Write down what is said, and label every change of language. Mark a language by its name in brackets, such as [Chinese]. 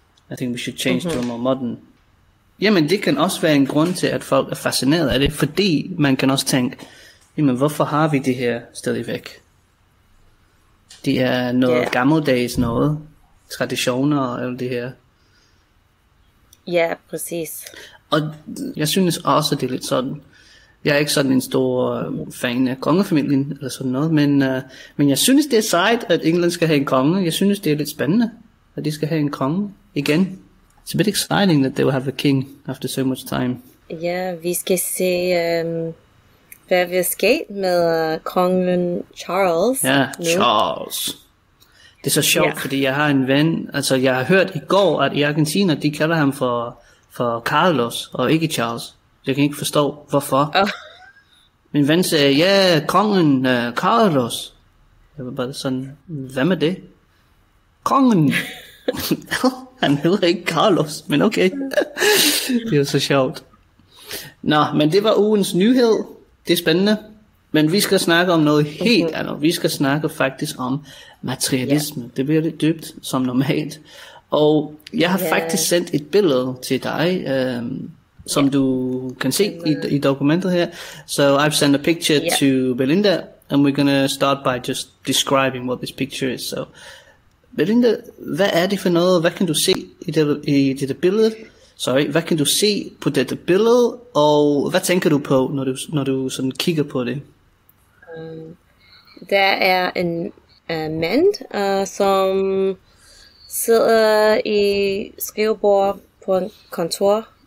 [English] I think we should change to a more modern. [Danish] Jamen, det kan også være en grund til, at folk er fascineret af det, fordi man kan også tænke, jamen, hvorfor har vi det her stadigvæk? Det er noget gammeldags noget, traditioner og alt det her. Ja, præcis. Og jeg synes også, at det er lidt sådan. Jeg er ikke sådan en stor fan af kongefamilien eller sådan noget, men jeg synes, det er sejt, at England skal have en konge. Jeg synes, det er lidt spændende, at de skal have en konge igen. [English] It's a bit exciting that they will have a king after so much time. [Danish] Ja, vi skal se, hvad vi skal med kongen Charles. Ja, nu. Charles. Det er så sjovt, fordi jeg har en ven. Altså, jeg har hørt i går, at i Argentina, de kalder ham for Carlos og ikke Charles. Jeg kan ikke forstå, hvorfor. Oh. Min ven sagde, ja, kongen Carlos. Jeg var bare sådan, hvad med det? Kongen. Han hedder ikke Carlos, men okay. Det var så sjovt. Nå, men det var ugens nyhed. Det er spændende. Men vi skal snakke om noget helt andet. Vi skal snakke faktisk om materialisme. Yeah. Det bliver lidt dybt, som normalt. Og jeg har faktisk sendt et billede til dig, som du kan se i dokumentet her. [English] So I've sent a picture to Belinda, and we're going to start by just describing what this picture is. [Danish] So Belinda, hvad er det for noget? Hvad kan du se i det billede? Sorry, hvad kan du se på dette billede? Og hvad tænker du på, når du sådan kigger på det? Der er en mand, som sidder i skrivebord på en kontor.